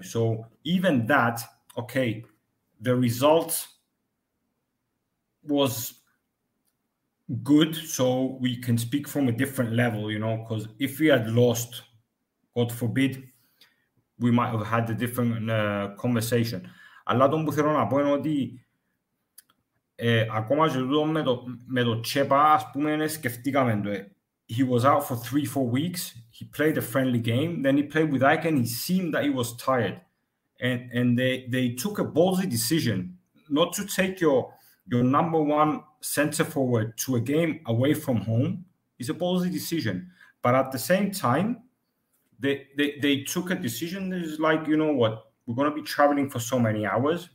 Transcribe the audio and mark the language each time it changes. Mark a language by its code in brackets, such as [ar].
[en] So even that, okay, the result was good, so we can speak from a different level, you know, because if we had lost, God forbid, we might have had a different conversation. [el] Αλλά τον που θέλω να πω είναι ότι ακόμα και τούτο με το Τσέπα, ας πούμε, σκεφτήκαμε το. [en] He was out for 3-4 weeks. He played a friendly game. Then he played with Ike and he seemed that he was tired. And they took a ballsy decision not to take your number one center forward to a game away from home. It's a ballsy decision. But at the same time, they took a decision that is like, you know what, we're going to be traveling for so many hours.